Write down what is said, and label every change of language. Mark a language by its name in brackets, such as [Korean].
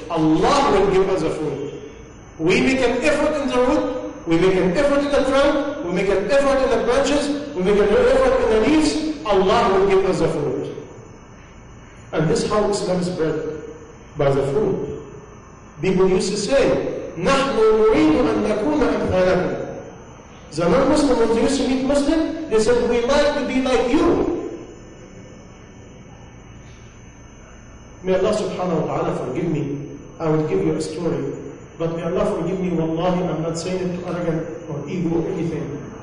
[English] Allah will give us a fruit. We make an effort in the root, we make an effort in the trunk, we make an effort in the branches, we make an effort in the leaves, Allah will give us the fruit. And this is how Islam is spread, by the fruit. [Arabic] People used to say, نَحْنُ نُرِيدُ أَنْ نَكُونَ أَمْثَالَكُمْ. [English] The non-Muslim, when they used to meet Muslim, they said, we like to be like you. May Allah subhanahu wa ta'ala forgive me. I will give you a story. But may Allah forgive me, wallahi, I'm not saying it to arrogant or ego or anything.